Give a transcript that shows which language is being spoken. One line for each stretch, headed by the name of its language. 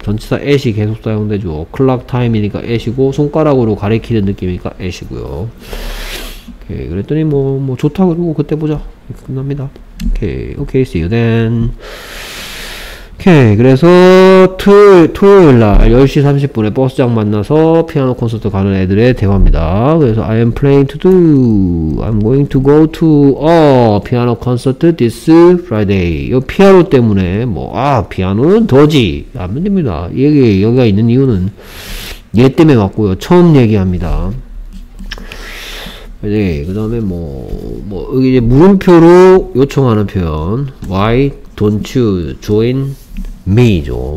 Korean: 전치사 at이 계속 사용되죠. clock time이니까 at이고 손가락으로 가리키는 느낌이니까 at이고요. 오케이, 그랬더니 뭐 좋다 그러고 그때 보자. 끝납니다. 오케이,
English: see you then.
Korean: 오케이, 그래서 토요일날 10시 30분에 버스장 만나서 피아노 콘서트 가는 애들의 대화입니다. 그래서
English: I am planning to do I'm going to go to a piano concert this Friday.
Korean: 요 피아노 때문에 피아노는 더지 안 됩니다. 여기가 있는 이유는 얘 때문에 왔고요. 처음 얘기합니다. 네, 그 다음에 여기 이제 물음표로 요청하는 표현 Why don't you join me죠.